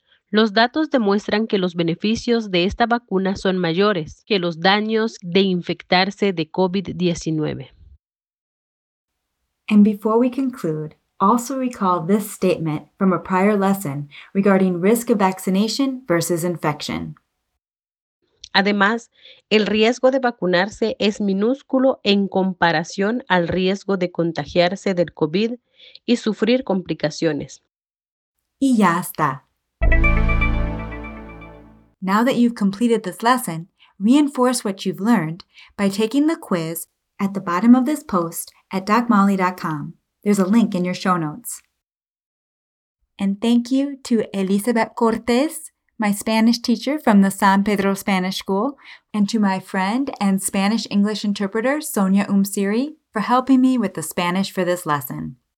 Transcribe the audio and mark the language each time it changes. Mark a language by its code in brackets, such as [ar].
[es] Los datos demuestran que los beneficios de esta vacuna son mayores que los daños de infectarse de COVID-19. [en] And before we conclude, also recall this statement from a prior lesson regarding risk of vaccination versus infection. [es] Además, el riesgo de vacunarse es minúsculo en comparación al riesgo de contagiarse del COVID y sufrir complicaciones. Y ya está. [en] Now that you've completed this lesson, reinforce what you've learned by taking the quiz at the bottom of this post at DocMolly.com. There's a link in your show notes. And thank you to Elizabeth Cortez, my Spanish teacher from the San Pedro Spanish School, and to my friend and Spanish-English interpreter, Sonia Umsiri, for helping me with the Spanish for this lesson.